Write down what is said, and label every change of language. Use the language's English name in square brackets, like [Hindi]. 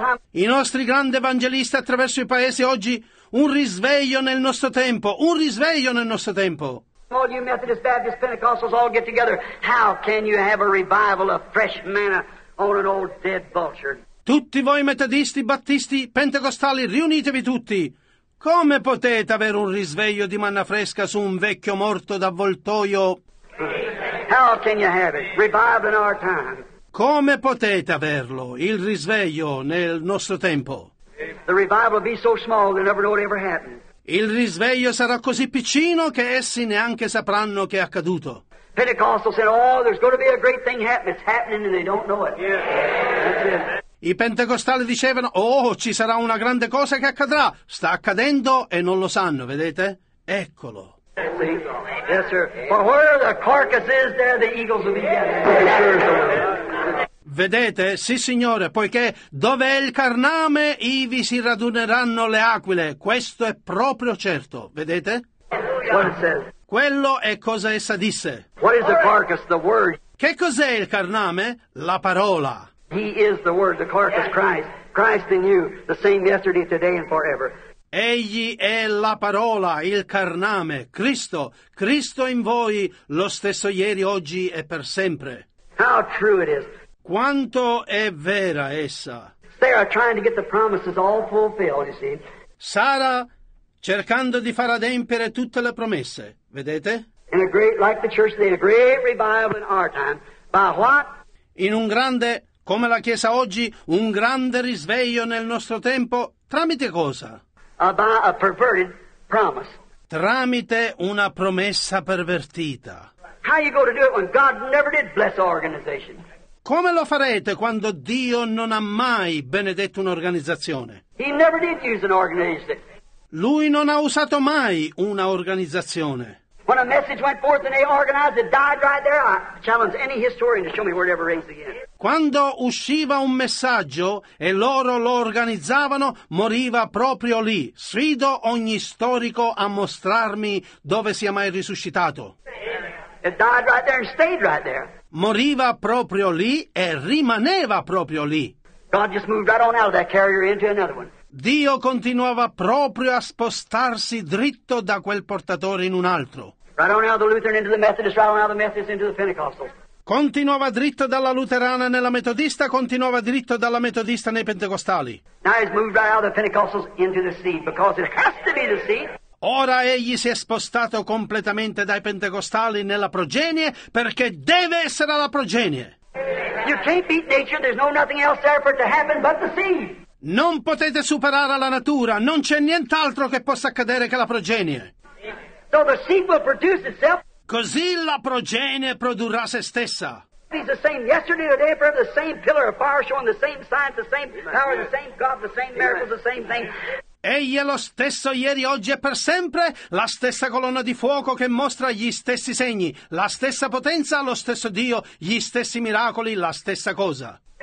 [Italian] I nostri grandi evangelisti attraverso i paesi oggi, un risveglio nel nostro tempo, un risveglio nel nostro tempo. [English] All you Methodist, Baptist, Pentecostals all get together. How can you have a revival of fresh manna on an old dead vulture? [Italian] Tutti voi metodisti, battisti, pentecostali, riunitevi tutti. Come potete avere un risveglio di manna fresca su un vecchio morto d'avvoltoio? [English] How can you have it? Revival in our time. [Italian] Come potete averlo, il risveglio, nel nostro tempo? [English] The revival will be so small they never know it ever happened. [Italian] Il risveglio sarà così piccino che essi neanche sapranno che è accaduto. [English] Pentecostal said, oh, there's going to be a great thing happening. It's happening and they don't know it. Yeah. That's it. [Italian] I pentecostali dicevano, oh, ci sarà una grande cosa che accadrà. Sta accadendo e non lo sanno, vedete? Eccolo. [English] Yes, sir. But where the carcasses, there the eagles will be gathered. [Italian] Vedete? Sì, signore, poiché dove è il carname, ivi si raduneranno le aquile. Questo è proprio certo, vedete? [English] What it says. [Italian] Quello è cosa essa disse. [English] What is the carcass, the word? [Italian] Che cos'è il carname? La parola. [English] He is the word, the carcass, Christ. Christ in you, the same yesterday, today and forever. [Italian] Egli è la parola, il carname, Cristo. Cristo in voi, lo stesso ieri, oggi e per sempre. [English] How true it is. [Italian] Quanto è vera essa. [English] Sarah trying to get the promises all fulfilled, you see. [Italian] Sara cercando di far adempiere tutte le promesse, vedete? [English] In a great, like the church today, a great revival in our time. By what? [Italian] In un grande, come la Chiesa oggi, un grande risveglio nel nostro tempo, tramite cosa? [English] By a perverted promise. [Italian] Tramite una promessa pervertita. [English] How you going to do it when God never did bless organizations? [Italian] Come lo farete quando Dio non ha mai benedetto un'organizzazione? [English] He never did use an organization. [Italian] Lui non ha usato mai una organizzazione. [English] When a message went forth and they organized it, died right there. I challenge any historian to show me where it ever rings again. [Italian] Quando usciva un messaggio e loro lo organizzavano, moriva proprio lì. Sfido ogni storico a mostrarmi dove sia mai risuscitato. [English] It died right there and stayed right there. [Italian] Moriva proprio lì e rimaneva proprio lì. [English] God just moved right on out of that carrier into another one. [Italian] Dio continuava proprio a spostarsi dritto da quel portatore in un altro. [English] Right on out the Lutheran into the Methodist, right on out the Methodist into the Pentecostal. [Italian] Continuava dritto dalla Luterana nella Metodista, continuava dritto dalla Metodista nei Pentecostali. [English] Now he's moved right out of the Pentecostals into the seed, because it has to be the seed. [Italian] Ora egli si è spostato completamente dai Pentecostali nella progenie, perché deve essere la progenie. [English] You can't beat nature, there's no nothing else there for it to happen but the seed. [Italian] Non potete superare la natura, non c'è nient'altro che possa accadere che la progenie. [English] So the seed will produce itself. [Italian] Così la progenie produrrà se stessa. [English] He's the same yesterday, today, forever, the same pillar of fire showing the same signs, the same power, the same God, the same miracles, the same thing. [Italian] Egli è lo stesso ieri, oggi e per sempre, la stessa colonna di fuoco che mostra gli stessi segni, la stessa potenza, lo stesso Dio, gli stessi miracoli, la stessa cosa.